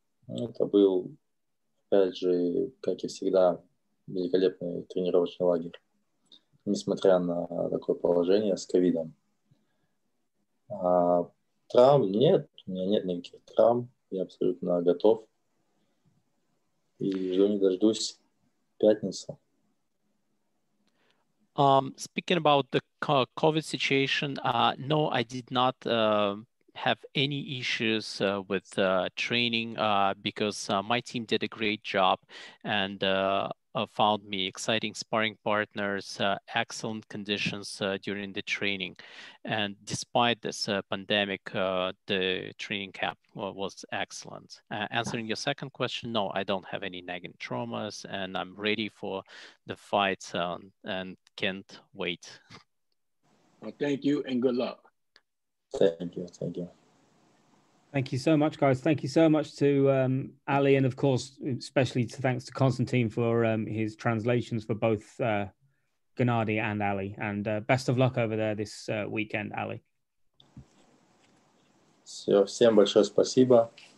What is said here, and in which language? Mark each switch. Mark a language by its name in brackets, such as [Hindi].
[Russian] Это был, опять же, как и всегда, великолепный тренировочный лагерь, несмотря на такое положение с ковидом. Травм нет, у меня нет никаких травм. Я абсолютно готов и жду не дождусь пятницы. [English] Speaking about the COVID situation, no, I did not have any issues with training because my team did a great job and found me exciting sparring partners, excellent conditions during the training. And despite this pandemic, the training camp was excellent. Answering your second question, no, I don't have any nagging traumas and I'm ready for the fight and can't wait. Well, thank you and good luck. Thank you. Thank you so much, guys. Thank you so much to Ali, and of course, especially to thanks to Constantine for his translations for both Gennadiy and Ali. And best of luck over there this weekend, Ali. [Russian] Все, всем большое спасибо.